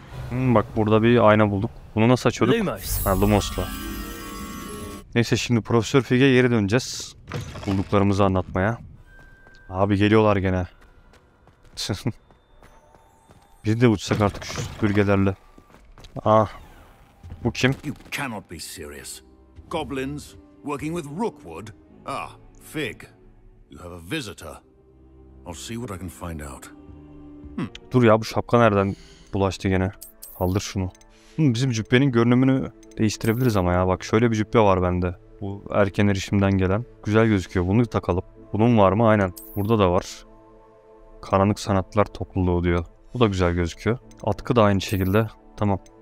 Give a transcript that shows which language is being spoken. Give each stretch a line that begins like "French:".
Turkish: Bak burada bir ayna bulduk. Bunu nasıl açıyorduk? Lumos'la. Neyse şimdi Profesör Fig'e geri döneceğiz. Bulduklarımızı anlatmaya. Abi geliyorlar gene. Biz de uçsak artık şu süpürgelerle.
English: Ah.
Turkish: Bu kim?
English: You cannot be serious. Goblins working with Rookwood. Ah, Fig. You have a visitor. I'll see what I can find out.
Turkish: Dur ya bu şapka nereden bulaştı gene? Kaldır şunu. Bizim cübbenin görünümünü değiştirebiliriz ama ya. Bak şöyle bir cübbe var bende. Bu erken erişimden gelen. Güzel gözüküyor. Bunu takalım. Bunun var mı? Aynen. Burada da var. Karanlık sanatlar topluluğu diyor. Bu da güzel gözüküyor. Atkı da aynı şekilde. Tamam.